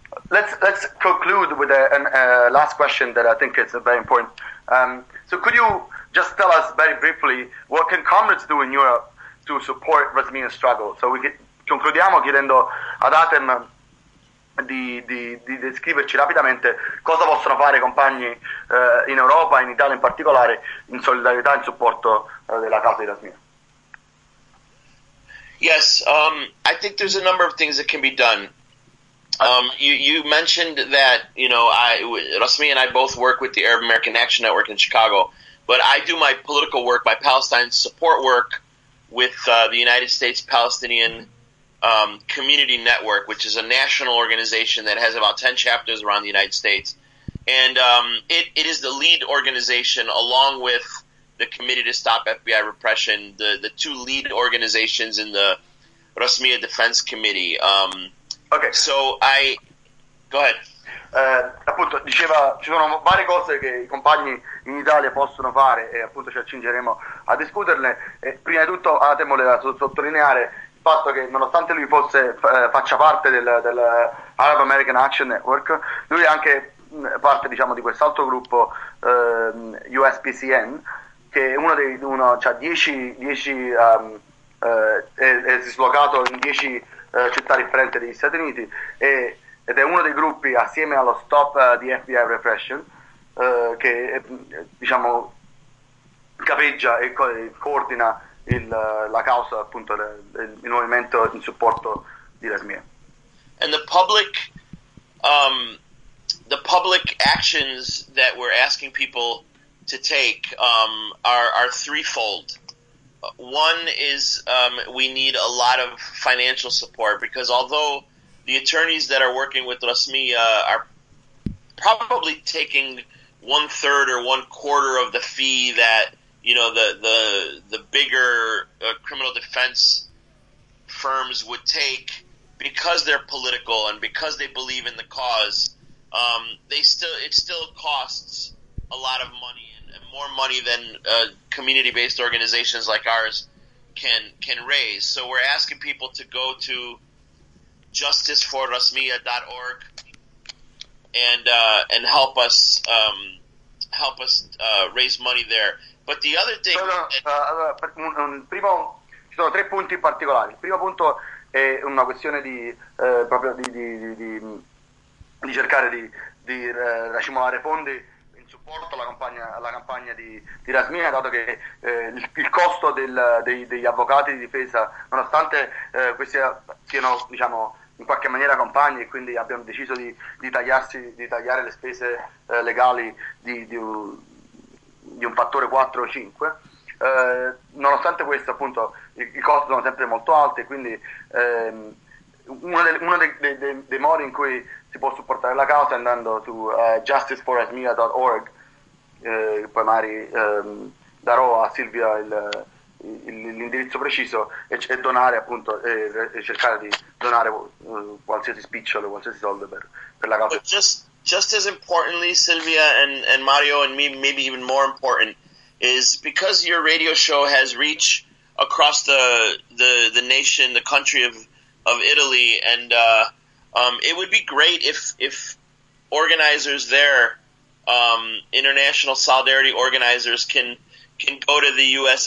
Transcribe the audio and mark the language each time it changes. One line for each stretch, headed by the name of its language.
English: Let's conclude with a last question that I think is very important. So could you just tell us very briefly what can comrades do in Europe to support Rasmia's struggle?
Italian: So we concludiamo chiedendo ad Atem di descriverci rapidamente cosa possono fare i compagni in Europa, in Italia in particolare, in solidarietà e in supporto della causa di Rasmia.
English: Yes, I think there's a number of things that can be done. You mentioned that, you know, Rasmi and I both work with the Arab American Action Network in Chicago, but I do my political work, my Palestine support work with the United States Palestinian Community Network, which is a national organization that has about 10 chapters around the United States. And it is the lead organization, along with the Committee to Stop FBI Repression, the two lead organizations in the Rasmia Defense Committee. Okay. So I go ahead.
Italian: Appunto diceva, ci sono varie cose che i compagni in Italia possono fare, e appunto ci accingeremo a discuterne. E prima di tutto Atem voleva sottolineare il fatto che nonostante lui fosse faccia parte del Arab American Action Network, lui è anche parte, diciamo, di quest'altro gruppo USPCN, che è dislocato in 10 città differente degli Stati Uniti, ed è uno dei gruppi assieme allo Stop di FBI Repression che diciamo capeggia e coordina la causa, appunto il movimento in supporto di Rasmia.
English: And the public actions that we're asking people to take are threefold. One is we need a lot of financial support, because although the attorneys that are working with Rasmia are probably taking one third or one quarter of the fee that, you know, the bigger criminal defense firms would take, because they're political and because they believe in the cause, it still costs a lot of money, and more money than community-based organizations like ours can raise. So we're asking people to go to justiceforrasmia.org and help us raise money there. But the other thing,
Italian: ci sono tre punti in particolare. Il primo punto è una questione di cercare di racimolare fondi in supporto alla campagna di Rasmia, dato che il costo degli avvocati di difesa, nonostante questi siano, diciamo, in qualche maniera compagni e quindi abbiano deciso di tagliare le spese legali di un fattore 4 o 5, nonostante questo, appunto, i costi sono sempre molto alti, quindi uno dei modi in cui si può supportare la causa è andando su justiceforrasmia.org, poi magari darò a Silvia l'indirizzo preciso, e donare, appunto, e cercare di donare qualsiasi spicciolo, qualsiasi soldo per la causa.
English: But just as importantly, Silvia and Mario, and me, maybe even more important, is because your radio show has reach across the nation, the country of Italy, and it would be great if organizers there, international solidarity organizers, can go to the U.S.